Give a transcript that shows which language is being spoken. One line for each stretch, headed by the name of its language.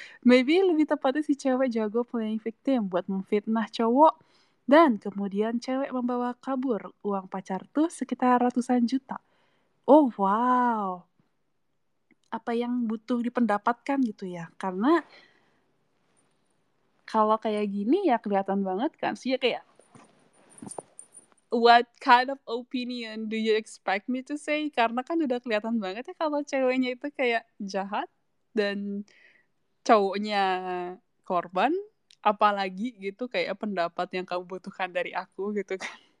Indonesian: Maybe lebih tepatnya si cewek jago playing victim buat memfitnah cowok, dan kemudian cewek membawa kabur uang pacar tuh sekitar ratusan juta. Oh, wow. Apa yang butuh dipendapatkan gitu ya? Karena kalau kayak gini ya kelihatan banget kan. Sih kayak,
English: what kind of opinion do you expect me to say?
Indonesian: Karena kan udah kelihatan banget ya kalau ceweknya itu kayak jahat dan cowoknya korban. Apalagi gitu kayak pendapat yang kamu butuhkan dari aku gitu kan.